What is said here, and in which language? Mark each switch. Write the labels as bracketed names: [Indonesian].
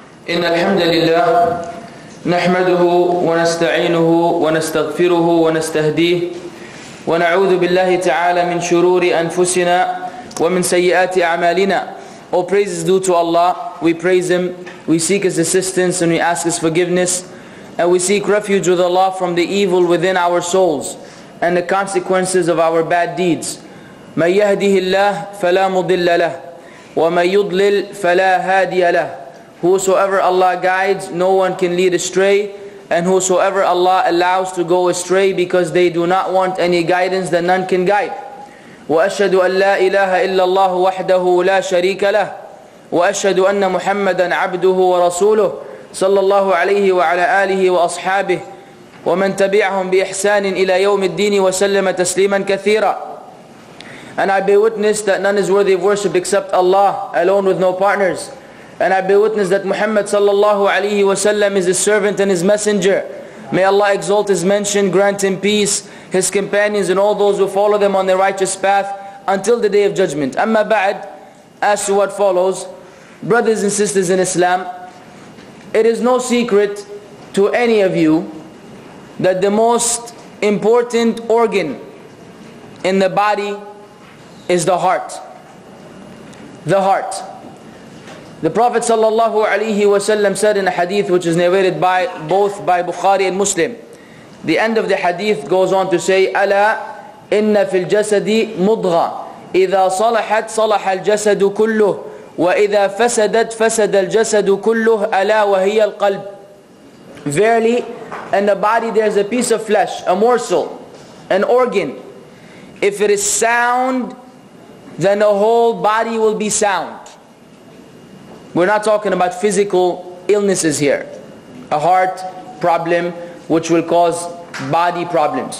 [Arabic] إن الحمد لله نحمده ونستعينه ونستغفره ونستهديه ونعوذ بالله تعالى من شرور أنفسنا ومن سيئات أعمالنا. [English] All praises due to Allah. We praise Him. We seek His assistance and we ask His forgiveness. And we seek refuge with Allah from the evil within our souls and the consequences of our bad deeds. [Arabic] من يهده الله فلا مضل له ومن يضلل فلا هادي له. [English] Whosoever Allah guides, no one can lead astray. And whosoever Allah allows to go astray because they do not want any guidance, then none can guide. [Arabic] وَأَشْهَدُ أَنْ لَا إِلَهَ إِلَّا اللَّهُ وَحْدَهُ لَا شَرِيكَ لَهُ وَأَشْهَدُ أَنَّ مُحَمَّدًا عَبْدُهُ وَرَسُولُهُ صلى الله عليه وعلى آله وأصحابه ومن تبعهم بإحسان إلى يوم الدين وسلم تسليما كثيرا. [English] And I bear witness that none is worthy of worship except Allah alone with no partners. And I bear witness that Muhammad sallallahu alayhi wa sallam is his servant and his messenger. May Allah exalt his mention, grant him peace, his companions and all those who follow them on their righteous path until the day of judgment. [Arabic] Amma ba'd, [English] as to what follows, brothers and sisters in Islam, it is no secret to any of you that the most important organ in the body is the heart. The heart. The Prophet sallallahu alayhi wa sallam said in a hadith which is narrated by both by Bukhari and Muslim. The end of the hadith goes on to say, [Arabic] أَلَا إِنَّ فِي الْجَسَدِ مُضْغَى إِذَا صَلَحَتْ صَلَحَ الْجَسَدُ كُلُّهُ وَإِذَا فَسَدَتْ فَسَدَ الْجَسَدُ كُلُّهُ أَلَا وَهِيَ الْقَلْبِ. [English] Verily, in the body there is a piece of flesh, a morsel, an organ. If it is sound, then the whole body will be sound. We're not talking about physical illnesses here. A heart problem which will cause body problems.